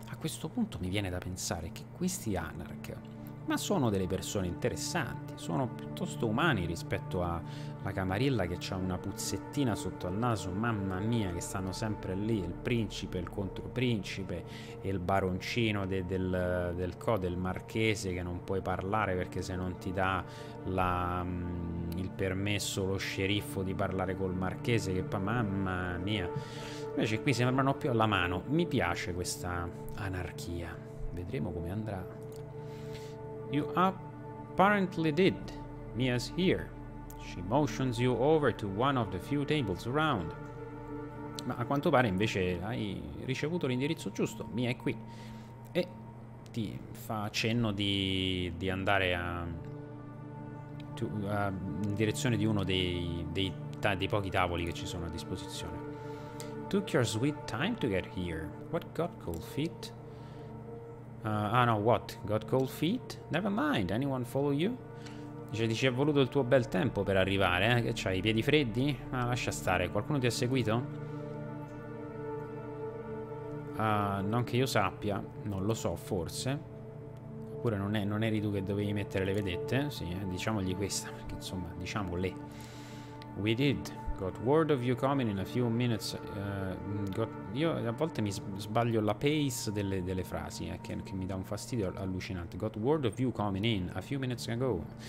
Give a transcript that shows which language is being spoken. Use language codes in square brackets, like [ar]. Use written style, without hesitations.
[it] A questo punto mi viene da pensare che questi Anark, ma sono delle persone interessanti, sono piuttosto umani rispetto alla camarilla che c'ha una puzzettina sotto al naso, mamma mia, che stanno sempre lì, il principe, il controprincipe e il baroncino del marchese, che non puoi parlare perché se non ti dà il permesso lo sceriffo di parlare col marchese, che poi mamma mia. Invece qui sembrano più alla mano, mi piace questa anarchia, vedremo come andrà. [en] You apparently did. Mia's here. She motions you over to one of the few tables around. [it] Ma a quanto pare invece hai ricevuto l'indirizzo giusto. Mia è qui. E ti fa cenno di andare in direzione di uno dei pochi tavoli che ci sono a disposizione. [en] Took your sweet time to get here. What got cold feet? What? Got cold feet? Never mind, anyone follow you? [it] Dice, ti ci è voluto il tuo bel tempo per arrivare, eh? Che c'hai, i piedi freddi? Ah, lascia stare, qualcuno ti ha seguito? Non che io sappia, non lo so, forse. Oppure non eri tu che dovevi mettere le vedette? Sì, diciamogli questa, perché insomma, diciamole. [en] We did. Got word of you coming in a few minutes. [it] Io a volte mi sbaglio la pace delle frasi, che mi dà un fastidio allucinante. [en] Got word of you coming in a few minutes ago.